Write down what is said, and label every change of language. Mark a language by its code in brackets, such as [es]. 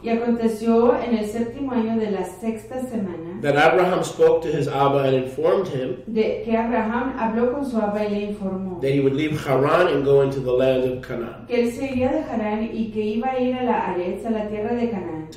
[es] Y aconteció en el séptimo año de la sexta semana. [en] That Abraham spoke to his Abba and informed him. [es] De que Abraham habló con su Abba y le informó. [en] That he would leave Haran and go into the land of Canaan. [es] Que él se iría de Harán y que iba a ir a la Aretz, a la tierra de Canaan.